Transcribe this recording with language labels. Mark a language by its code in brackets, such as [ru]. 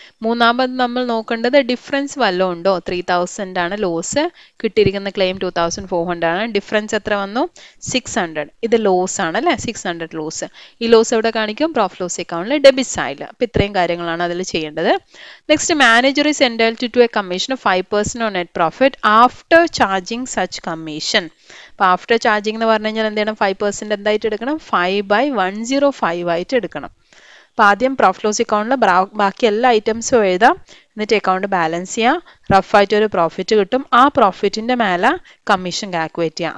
[ml] മൂന്നാമത് നമ്മൾ നോക്കേണ്ടത് ഡിഫറൻസ് വല്ലതും ഉണ്ടോ? 3,000 ആണ് ലോസ്, കിട്ടിയിരിക്കുന്ന ക്ലെയിം 2,400 ആണ്. ഡിഫറൻസ് എത്ര വന്നു? 600. ഇത് ലോസ് ആണ് അല്ലേ, 600 ലോസ്. ഈ ലോസ് എവിടെ കാണിക്കും? പ്രോഫിറ്റ് ലോസ് അക്കൗണ്ടിൽ ഡെബിറ്റ് ആയില്ല. അപ്പോൾ ഇത്രയും കാര്യങ്ങളാണ് അതിൽ ചെയ്യേണ്ടത്. [en] Next manager is entitled to a commission of 5% on net profit after charging such commission. [ml] അപ്പോൾ ആഫ്റ്റർ ചാർജിങ് എന്ന് പറഞ്ഞു കഴിഞ്ഞാൽ എന്ത് ചെയ്യണം? 5% എന്തായിട്ട് എടുക്കണം? 5/105 ആയിട്ട് എടുക്കണം. അപ്പം ആദ്യം പ്രോഫിറ്റ് ലോസ് അക്കൗണ്ടിൽ ബാക്കി എല്ലാ ഐറ്റംസും എഴുതാം, എന്നിട്ട് അക്കൗണ്ട് ബാലൻസ് ചെയ്യാം, റഫ് ആയിട്ട് ഒരു പ്രോഫിറ്റ് കിട്ടും, ആ പ്രോഫിറ്റിൻ്റെ മേലെ കമ്മീഷൻ കാൽക്കുലേറ്റ് ചെയ്യാം.